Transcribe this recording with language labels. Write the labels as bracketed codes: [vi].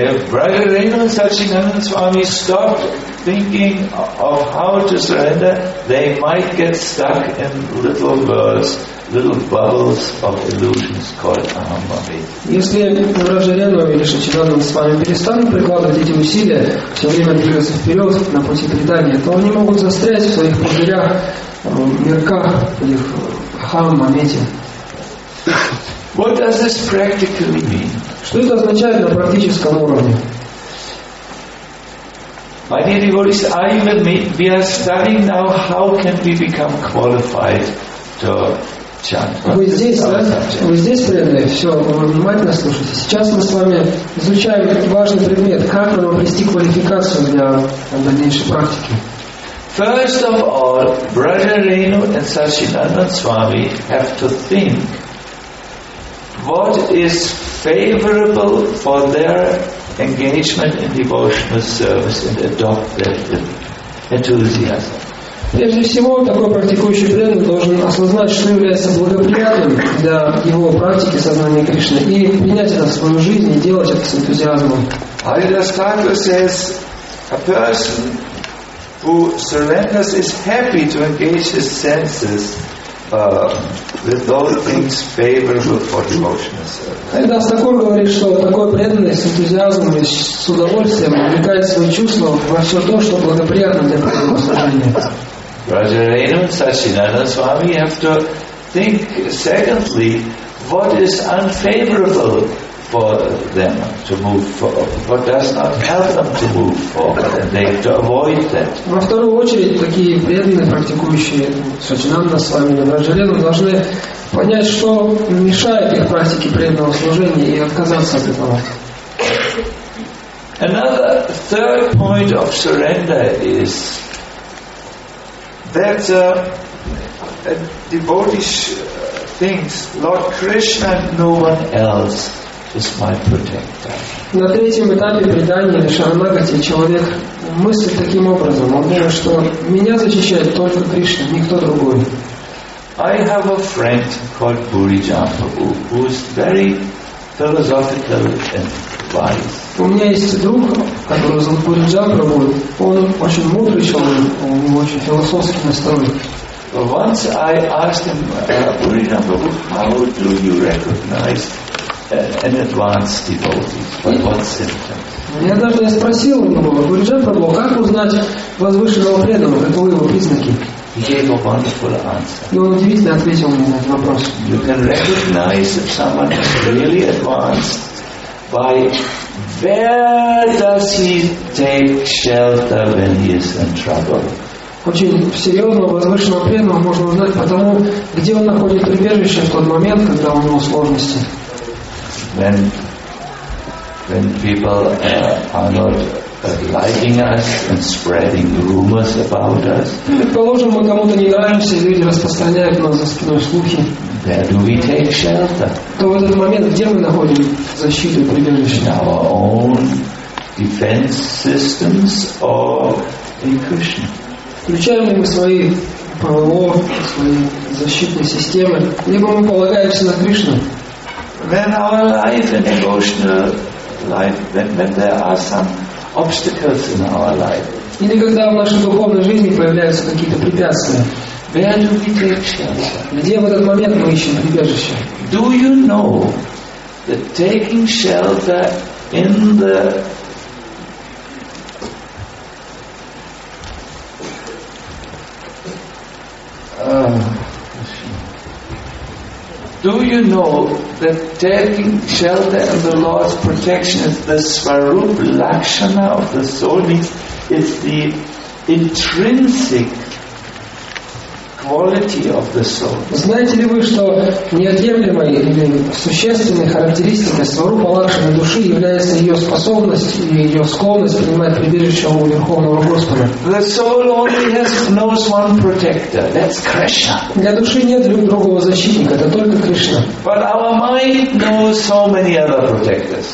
[en] Brother Raymond and Sachinanda Swami stopped thinking of how to surrender, they might get stuck in little worlds, little bubbles of illusions called Ahambhavi. [ru] Если Раджа Рену или Шачинанда с вами перестанут прикладывать эти усилия, все время двигаться вперед на пути предания, то они могут застрять в своих пузырях, мирках, их Ахамбхавете. [en] What does this practically mean? [ru] Что это означает на практическом уровне? [en] My dear devotees, are you with me? We are studying now how can we become qualified to [ru] Вы здесь, преданные, все, вы внимательно слушайте. Сейчас мы с вами изучаем важный предмет, как нам обрести квалификацию для дальнейшей практики. [en] First of all, Brother Renu and Sachinanda Swami have to think what is favorable for their engagement in devotional service and adopt that enthusiasm. [ru] Прежде всего, такой практикующий преданный должен осознать, что является благоприятным для его практики сознания Кришны, и принять это в свою жизнь и делать это с энтузиазмом. Аридастака says, a person who surrenders is happy to engage his senses with those things favorable for devotional service. Аридастака говорит, что такой преданный с энтузиазмом и с удовольствием увлекает свои чувства во все то, что благоприятно для преданного служения. [en] Раджа-рену и Сачинанда Свами have to think secondly what is unfavorable for them to move forward, what does not help them to move forward, and they have to avoid that. [ru] Во вторую очередь, такие преданные, практикующие Сачинанда Свами и Раджа-рену должны понять, что мешает их практике преданного служения и отказаться от этого. [en] Another third point of surrender is that a devotee thinks, Lord Krishna, no one else is my protector. [ru] На третьем этапе предания Шаранагати человек мыслит таким образом. Он думает, что меня защищает только Кришна, никто другой. [en] I have a friend called Burijampu, who is very philosophical and wise. [ru] У меня есть друг, который зовут Буриджапрабху. Он очень мудрый человек, он очень философски настроен. [en] Once I asked him, Буриджапрабху, how do you recognize an advanced devotee? By what symptoms? [ru] Я даже спросил у него, Буриджапрабху, как узнать возвышенного преданного, каковы его признаки? [en] He gave a wonderful answer. [ru] И он удивительно ответил мне на этот вопрос. [en] You can recognize if someone is really advanced by where does he take shelter when he is in trouble? [ru] Очень серьезно, возвышенного преданного можно узнать по тому, где он находит прибежище в тот момент, когда у него сложности. [en] When people are not liking us and spreading rumors about us. [ru] Предположим, мы кому-то не нравимся, люди распространяют нас за спиной слухи. [en] Where do we take shelter? [ru] То в этот момент, где мы находим защиту и прибежище? [en] In our own defense systems or in Krishna? [ru] Включаем ли мы свои ПВО, свои защитные системы, либо мы полагаемся на Кришну? [en] When our life and emotional life, when there are some obstacles in our life. [ru] Или когда в нашей духовной жизни появляются какие-то препятствия. [en] Where do we take shelter? [ru] Где в этот момент мы ищем прибежище? [en] Do you know that taking shelter in the Do you know that taking shelter in the Lord's protection is the Swarup Lakshana of the soul? It's the intrinsic quality of the soul. [ru] Знаете ли вы, что неотъемлемой или существенной характеристикой Сварупа Лакшаны души является ее способность и ее склонность принимать прибежище у Верховного Господа? [en] The soul only knows one protector, that's Krishna. [ru] Для души нет другого защитника, это только Кришна. [en] But our mind knows so many other protectors.